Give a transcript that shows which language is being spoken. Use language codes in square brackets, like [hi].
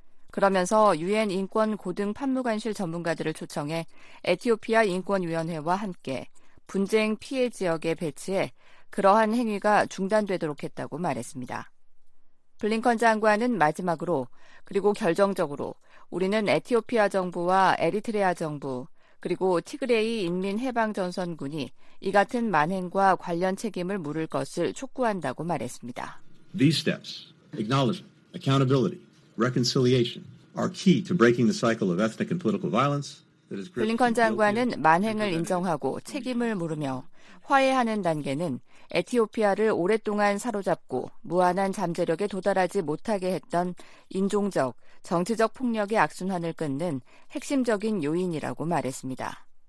[ko] 그러면서 유엔 인권 고등 판무관실 전문가들을 초청해 에티오피아 인권위원회와 함께 분쟁 피해 지역에 배치해 그러한 행위가 중단되도록 했다고 말했습니다. 블링컨 장관은 마지막으로 그리고 결정적으로 우리는 에티오피아 정부와 에리트레아 정부 그리고 티그레이 인민해방전선군이 이 같은 만행과 관련 책임을 물을 것을 촉구한다고 말했습니다. [en] These steps, acknowledgement, accountability, reconciliation are key to breaking the cycle of ethnic and political violence. [ko] 블링컨 장관은 만행을 인정하고 책임을 물으며 화해하는 단계는 에티오피아를 오랫동안 사로잡고 무한한 잠재력에 도달하지 못하게 했던 인종적, 정치적 폭력의 악순환을 끊는 핵심적인 요인이라고 말했습니다.